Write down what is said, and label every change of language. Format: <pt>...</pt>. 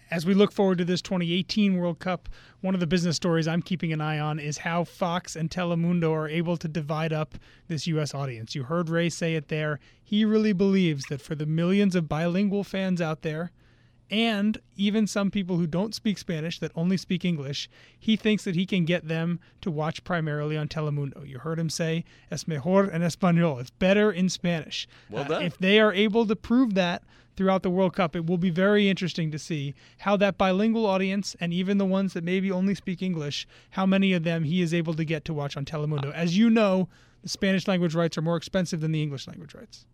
<en>As we look forward to this 2018 World Cup, one of the business stories I'm keeping an eye on is how Fox and Telemundo are able to divide up this U.S. audience. You heard Ray say it there. He really believes that for the millions of bilingual fans out there, and even some people who don't speak Spanish that only speak English, he thinks that he can get them to watch primarily on Telemundo. You heard him say,</en> <es>es mejor en español.</es> <en>It's better in Spanish. Well done. If they are able to prove that throughout the World Cup, it will be very interesting to see how that bilingual audience, and even the ones that maybe only speak English, how many of them he is able to get to watch on Telemundo. As you know, the Spanish language rights are more expensive than the English language rights.</en>